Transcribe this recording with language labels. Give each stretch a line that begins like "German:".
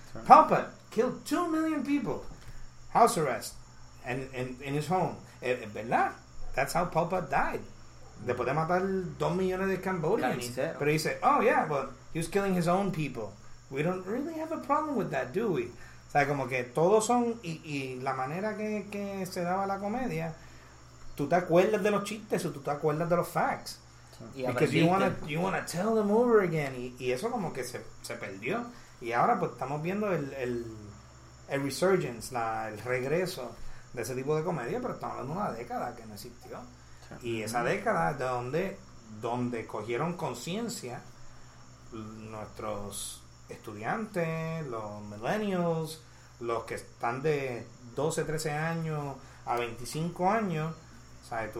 English: Palpat killed 2 million people, house arrest, and in his home. ¿Verdad?
Spanish: That's how Palpat died. Después de matar 2 millones de Cambodians.
English: Pero he said, oh, yeah, but he was killing his own people. We don't really have a problem with that, do we?
Spanish: O sea, como que todos son... Y la manera que se daba la comedia, tú te acuerdas de los chistes o tú te acuerdas de los facts.
English: Y because you wanna tell them over again.
Spanish: Y eso como que se perdió. Y ahora pues estamos viendo el resurgence, el regreso de ese tipo de comedia, pero estamos hablando de una década que no existió. Y esa década es donde cogieron conciencia nuestros estudiantes, los millennials, los que están de 12, 13 años a 25 años, ¿sabes?